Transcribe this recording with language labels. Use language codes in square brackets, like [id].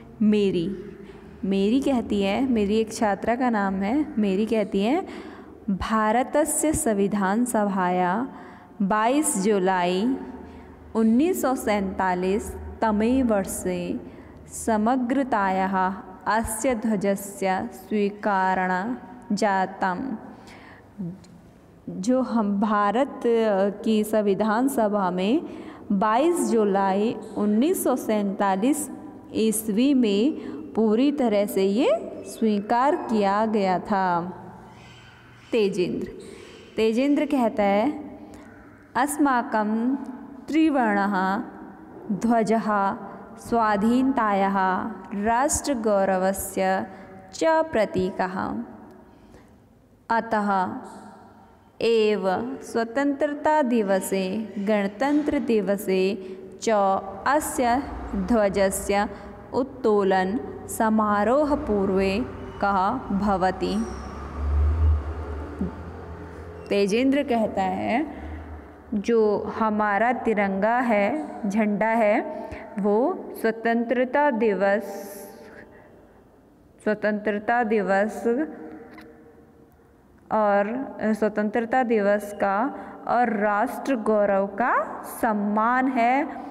[hi] मेरी, मेरी कहती है, मेरी एक छात्रा का नाम है, मेरी कहती है [sa] भारतस्य संविधान सभाया 22 जुलाई 1947 तमे वर्षे समग्रतायाः अस्य ध्वजस्य स्वीकारण जातम्, [hi] जो हम भारत की संविधान सभा में 22 जुलाई 1947 ईस्वी में पूरी तरह से ये स्वीकार किया गया था। तेजेंद्र, तेजेंद्र कहता है [sa] अस्माकं त्रिवर्णः ध्वजः स्वाधीनतायाः राष्ट्रगौरवस्य च प्रतीकः, अतः एव स्वतंत्रता दिवसे गणतंत्र दिवसे च अस्य ध्वजस्य उत्तोलन समारोह पूर्वे कः भवति। [hi] तेजेंद्र कहता है जो हमारा तिरंगा है, झंडा है, वो स्वतंत्रता दिवस का और राष्ट्र गौरव का सम्मान है।